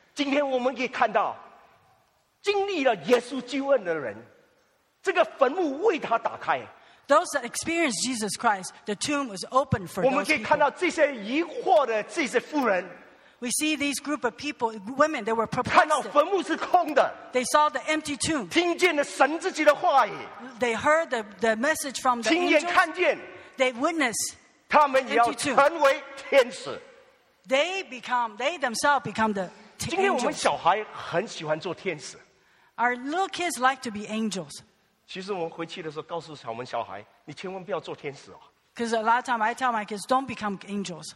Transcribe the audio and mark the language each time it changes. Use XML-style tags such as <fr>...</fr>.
<zh>今天我们可以看到，经历了耶稣救恩的人，这个坟墓为他打开。</zh> <en>Those that experienced Jesus Christ, the tomb was open for those people.</en> <zh>我们可以看到这些疑惑的这些妇人。</zh> <en>We see these group of people, women, they were perplexed.</en> <zh>看到坟墓是空的。</zh> <en>They saw the empty tomb.</en> <zh>听见了神自己的话语。</zh> <en>They heard the message from the angels.</en> <zh>亲眼看见。</zh> <en>They witnessed.</en> <zh>他们也要成为天使。</zh> <en>They themselves become the angels.</en> <zh>今天我们小孩很喜欢做天使。</zh> <en>Our little kids like to be angels.</en> <zh>其实我们回去的时候告诉我们小孩，你千万不要做天使哦。</zh> <en>Because a lot of time I tell my kids, don't become angels.</en>